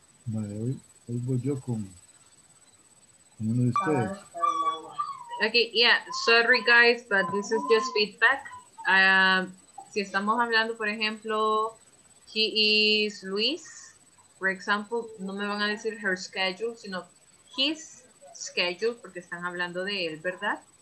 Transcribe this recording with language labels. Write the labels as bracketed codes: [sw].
[es] Vale, hoy voy yo con uno de ustedes. [en] Okay, yeah, sorry guys, but this is just feedback. [es] Si estamos hablando, por ejemplo, [en] he is Luis, for example, [es] no me van a decir her schedule, sino his schedule, porque están hablando de él, ¿verdad?